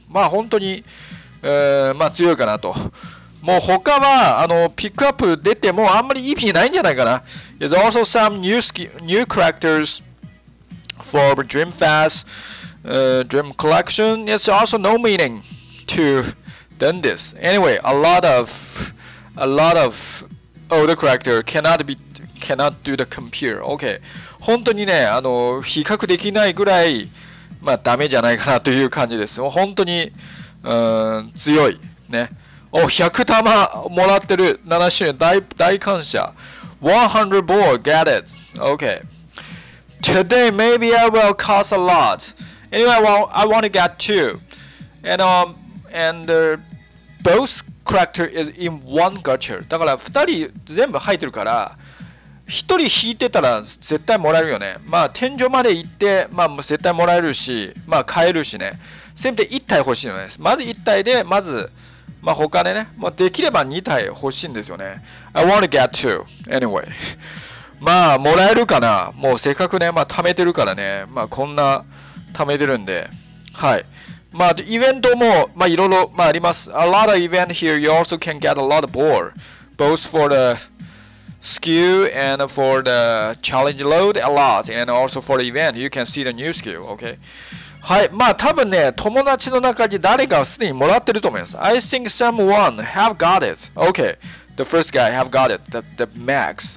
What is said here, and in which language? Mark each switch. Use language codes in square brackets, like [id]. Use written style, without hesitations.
[ja] まあ本当に、まあ、強いかなと。もう他はピックアップ出てもあんまり意味ないんじゃないかな。 [en] There's also some new characters. For Dreamfast, Dream Collection, it's also no meaning to than this. Anyway, a lot of older character cannot do the compare. [ja] Okay, 本当にね、比較できないぐらい、まあダメじゃないかなという感じです。本当に、強いね。お、100玉もらってる7周年大感謝。 [en] 100 ball, get it. Okay. Today, maybe I will cost a lot. Anyway, I want to get two. And both characters is in one gacha. [ja] だから2人全部入ってるから、1人引いてたら絶対もらえるよね。まあ天井まで行って、まあ絶対もらえるし、まあ買えるしね。せめて1体欲しいのね。まず1体で、まず、まあ他でね、まあできれば2体欲しいんですよね。 [en] I want to get two. Anyway. [ja] まあもらえるかな。もうせっかくね、まあ貯めてるからね、まあこんな貯めてるんで、はい。まあイベントもまあいろいろまああります。 [en] A lot of event here, you also can get a lot of ball, both for the skill and for the challenge load a lot, and also for the event, you can see the new skill. Okay. はい。 [ja] まあ多分ね、友達の中で誰かすでにもらってると思います。 [en] I think someone have got it. Okay. The first guy have got it, the max.